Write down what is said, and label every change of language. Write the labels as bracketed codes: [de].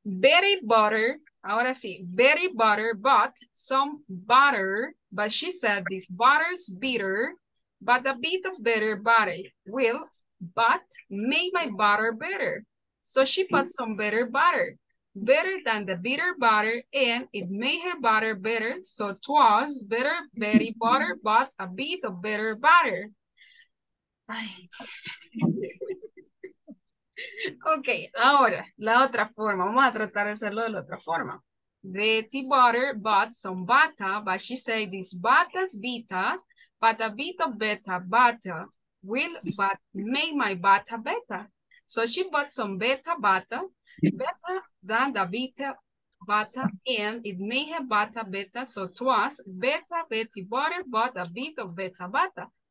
[en] Betty butter, [es] ahora sí, [en] Betty butter bought some butter, but she said this butter's bitter, but a bit of better butter will, but make my butter better. So she put some better than the bitter butter, and it made her butter better, so twas better, very butter, but a bit of better butter. [es] Okay, ahora, la otra forma, vamos a tratar de hacerlo de la otra forma. [en] Betty butter bought some butter, but she said this butter's bitter, but a bit of better butter will but make my butter better. So she bought some better butter than the bitter butter, and it made her butter better, so it was Betty butter, but a bit of better butter.